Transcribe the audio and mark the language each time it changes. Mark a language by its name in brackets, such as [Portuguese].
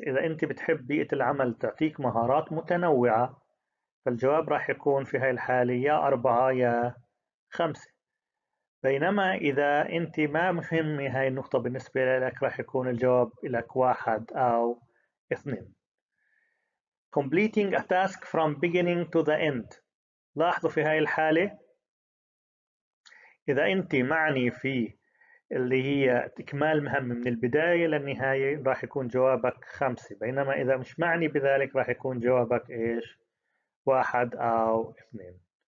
[Arabic] إذا أنت بتحب بيئة العمل تعطيك مهارات متنوعة فالجواب راح يكون في هاي الحالة يا أربعة يا خمسة. بينما إذا أنت ما مهم هاي النقطة بالنسبة لك راح يكون الجواب لك واحد أو اثنين. [English] Completing a task from beginning to the end. [Arabic] لاحظوا في هاي الحالة إذا أنت معني في اللي هي إكمال مهمة من البداية للنهاية راح يكون جوابك خمسة، بينما إذا مش معني بذلك راح يكون جوابك إيش؟ واحد أو اثنين.